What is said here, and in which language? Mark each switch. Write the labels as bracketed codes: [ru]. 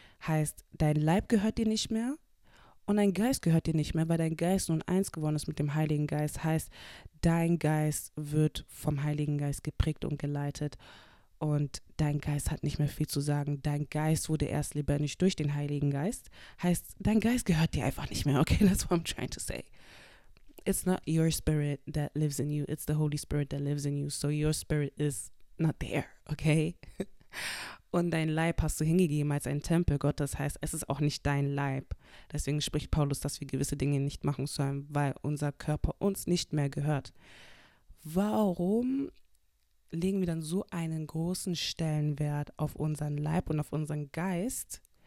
[de] Heißt, dein Leib gehört dir nicht mehr und dein Geist gehört dir nicht mehr, weil dein Geist nun eins geworden ist mit dem Heiligen Geist. Heißt, dein Geist wird vom Heiligen Geist geprägt und geleitet und dein Geist hat nicht mehr viel zu sagen. Dein Geist wurde erst lebendig durch den Heiligen Geist. Heißt, dein Geist gehört dir einfach nicht mehr, okay? [en] That's what I'm trying to say. It's not your spirit that lives in you. It's the Holy Spirit that lives in you. So your spirit is not there, okay? [de] Und dein Leib hast du hingegeben als ein Tempel Gottes. Heißt, es ist auch nicht dein Leib. Deswegen spricht Paulus, dass wir gewisse Dinge nicht machen sollen, weil unser Körper uns nicht mehr gehört. Warum legen wir dann so einen großen Stellenwert auf unseren Leib und auf unseren Geist?